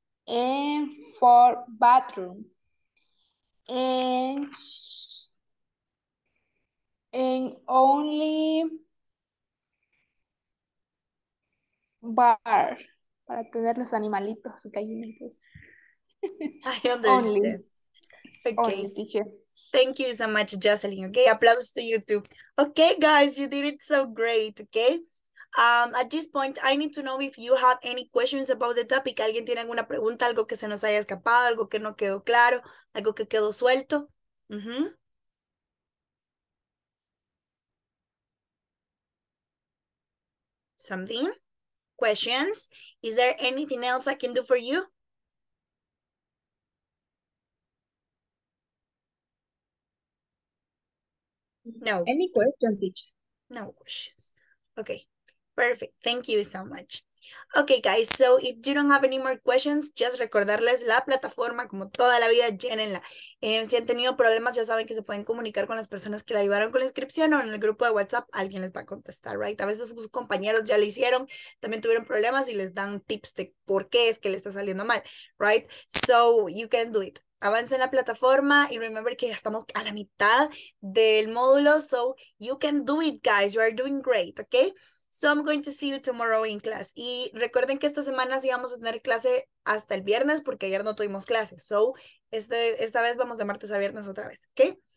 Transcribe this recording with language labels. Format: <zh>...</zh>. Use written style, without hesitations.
<en>and four bathroom. And only bar</en> <es>para tener los animalitos.</es> <en>I understand. Only. Okay. Only, teacher. Thank you so much, Jocelyn. Okay, applause to YouTube. Okay, guys, you did it so great, okay? At this point, I need to know if you have any questions about the topic.</en> <es>¿Alguien tiene alguna pregunta, algo que se nos haya escapado, algo que no quedó claro, algo que quedó suelto? Mm-hmm.</es> <en>Something? Questions? Is there anything else I can do for you? No. Any question, teacher? No questions. Okay. Perfect. Thank you so much. Okay, guys. So if you don't have any more questions, just</en> <es>recordarles la plataforma como toda la vida, llénenla. Si han tenido problemas, ya saben que se pueden comunicar con las personas que la ayudaron con la inscripción o en el grupo de WhatsApp, alguien les va a contestar, right? A veces sus compañeros ya lo hicieron, también tuvieron problemas y les dan tips de por qué es que le está saliendo mal, right?</es> <en>So you can do it.</en> <es>Avance en la plataforma y remember que ya estamos a la mitad del módulo.</es> <en>So you can do it, guys. You are doing great, okay? So I'm going to see you tomorrow in class.</en> <es>Y recuerden que esta semana sí vamos a tener clase hasta el viernes porque ayer no tuvimos clase. So esta vez vamos de martes a viernes otra vez, okay?</es>